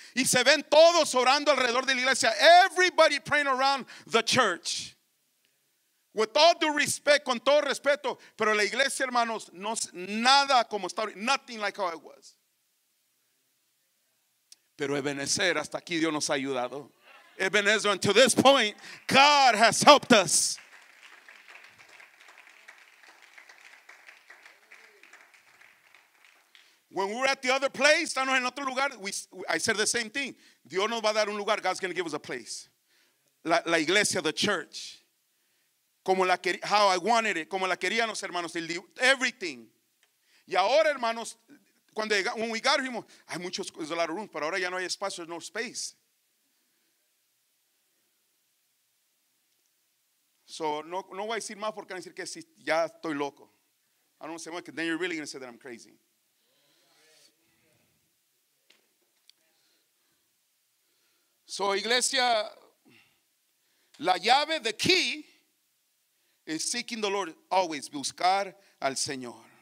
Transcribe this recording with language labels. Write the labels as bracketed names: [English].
[Spanish] Y se ven todos orando alrededor de la iglesia. [English] Everybody praying around the church. With all due respect, [Spanish] con todo respeto. Pero la iglesia, hermanos, no es nada como está, [English] nothing like how it was. [Spanish] Pero Ebenezer, hasta aquí Dios nos ha ayudado. [English] Ebenezer, until this point, God has helped us. When we were at the other place, [Spanish] estamos en otro lugar, [English] I said the same thing. [Spanish] Dios nos va a dar un lugar, [English] God's going to give us a place. [Spanish] La iglesia, the church. Como la, [English] how I wanted it, [Spanish] como la queríamos, hermanos, everything. Y ahora, hermanos, cuando llegamos, [English] when we got here, [Spanish] hay muchos, [English] there's a lot of rooms, [Spanish] pero ahora ya no hay espacio, [English] there's no space. [Spanish] So, no voy a decir más porque van a decir que si ya estoy loco. [English] I don't say much, then you're really going to say that I'm crazy. So, iglesia, la llave, the key, is seeking the Lord always, [Spanish] buscar al Señor.